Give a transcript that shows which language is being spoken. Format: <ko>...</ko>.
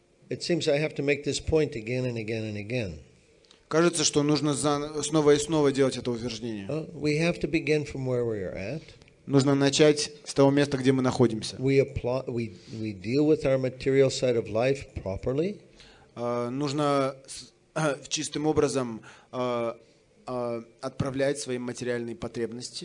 <en>it seems I have to make this point again and again and again.</en> <ru>Кажется, что нужно снова и снова делать это утверждение.</ru> <en>We have to begin from where we are at.</en> <ru>нужно начать с того места, где мы находимся.</ru> <en>We deal with our material side of life properly.</en> <ru>Нужно чистым образом отправлять свои материальные потребности.</ru>